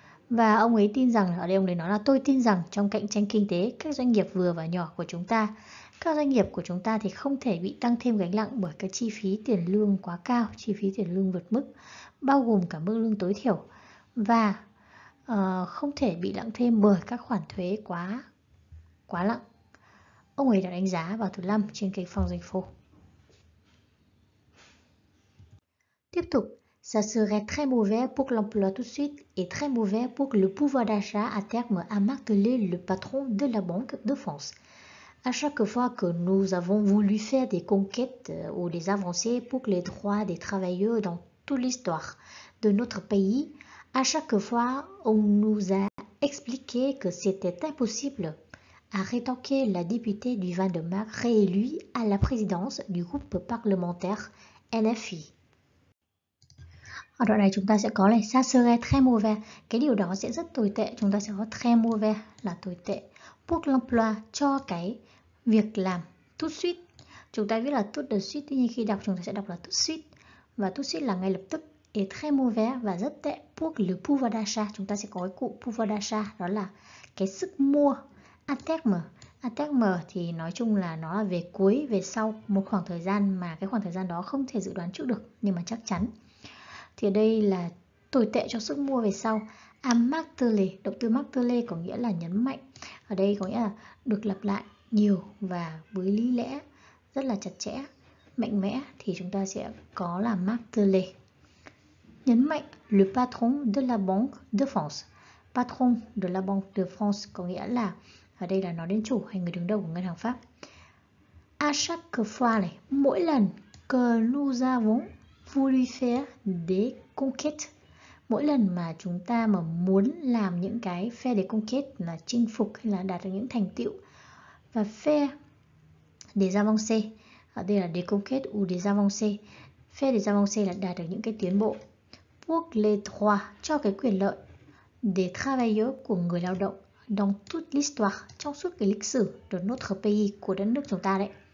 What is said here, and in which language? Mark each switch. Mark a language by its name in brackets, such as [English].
[Vietnamese] Và ông ấy tin rằng, ở đây ông ấy nói là tôi tin rằng trong cạnh tranh kinh tế, các doanh nghiệp vừa và nhỏ của chúng ta, các doanh nghiệp của chúng ta thì không thể bị tăng thêm gánh nặng bởi cái chi phí tiền lương quá cao, chi phí tiền lương vượt mức, bao gồm cả mức lương tối thiểu. Và không thể bị nặng thêm bởi các khoản thuế quá quá nặng. Ông ấy đã đánh giá vào thứ 5 trên kênh phòng danh phố. [French] Tiếp tục, ça serait très mauvais pour l'emploi tout de suite et très mauvais pour le pouvoir d'achat à terme, a martelé le patron de la Banque de France. À chaque fois que nous avons voulu faire des conquêtes ou des avancées pour les droits des travailleurs dans toute l'histoire de notre pays, à chaque fois, on nous a expliqué que c'était impossible, a rétorqué la députée du 22 mars réélue à la présidence du groupe parlementaire NFI. [Vietnamese] Ở đoạn này chúng ta sẽ có là [French] ça serait très mauvais. [Vietnamese] Cái điều đó sẽ rất tồi tệ. Chúng ta sẽ có très mauvais là tồi tệ. [French] Pour l'emploi, [Vietnamese] cho cái việc làm tout de suite. Chúng ta viết là tout de suite, tuy nhiên khi đọc chúng ta sẽ đọc là tout de suite. Và tout de suite là ngay lập tức. [French] Et très mauvais [Vietnamese] và rất tệ [French] pour le pouvoir d'achat. [Vietnamese] Chúng ta sẽ có cái cụ pouvoir d'achat, đó là cái sức mua. À terme thì nói chung là nó là về cuối, về sau một khoảng thời gian mà cái khoảng thời gian đó không thể dự đoán trước được, nhưng mà chắc chắn. Thì đây là tồi tệ cho sức mua về sau. À martelé, động từ martelé có nghĩa là nhấn mạnh. Ở đây có nghĩa là được lặp lại nhiều và với lý lẽ rất là chặt chẽ, mạnh mẽ, thì chúng ta sẽ có là martelé. Nhấn mạnh, [French] le patron de la Banque de France. [Vietnamese] Patron de la Banque de France có nghĩa là, ở đây là nói đến chủ hay người đứng đầu của ngân hàng Pháp. [French] À chaque fois này, [Vietnamese] mỗi lần [French] que nous avons voulu faire des conquêtes. [Vietnamese] Mỗi lần mà chúng ta mà muốn làm những cái [French] faire des conquêtes [Vietnamese] là chinh phục hay là đạt được những thành tựu. Và faire des avancées, ở đây là [French] des conquêtes ou des avancées. [Vietnamese] Faire des avancées là đạt được những cái tiến bộ. [French] Pour les droits, [Vietnamese] cho cái quyền lợi, des travailleurs, của người lao động, [French] dans toute l'histoire, [Vietnamese] trong suốt cái lịch sử, [French] de notre pays, [Vietnamese] của đất nước chúng ta đấy.